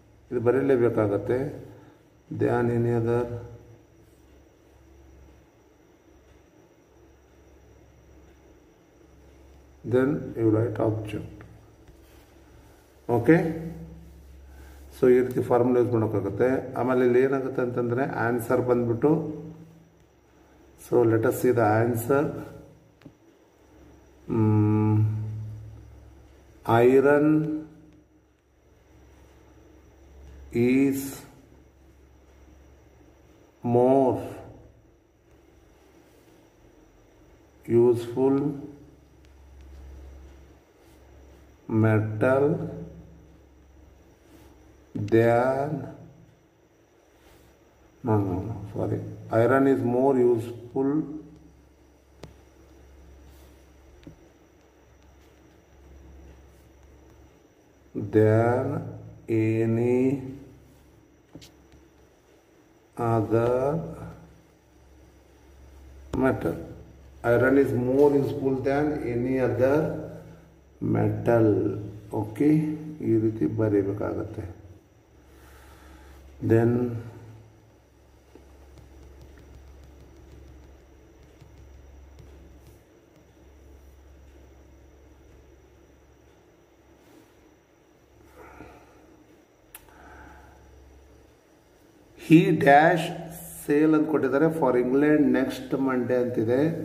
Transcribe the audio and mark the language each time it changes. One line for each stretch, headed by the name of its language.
Kannada: ಇದು ಬರೀಲೇಬೇಕಾಗತ್ತೆ.
English: than any other, then you write object.
Kannada: Okay, so ಈ ರೀತಿ ಫಾರ್ಮುಲಾ ಯೂಸ್ ಮಾಡೋಕ್ಕಾಗುತ್ತೆ. ಆಮೇಲೆ ಇಲ್ಲಿ ಏನಾಗುತ್ತೆ ಅಂತಂದರೆ ಆನ್ಸರ್ ಬಂದುಬಿಟ್ಟು, so
English: Let us see the answer. Iron is more useful metal than, sorry, iron is more useful than any other metal. Iron is more useful than any other metal.
Kannada: Okay, ಈ ರೀತಿ ಬರೀಬೇಕಾಗತ್ತೆ.
English: Then he dash sail
Kannada: ಅಂತ ಕೊಟ್ಟಿದ್ದಾರೆ
English: for England next Monday
Kannada: ಅಂತಿದೆ.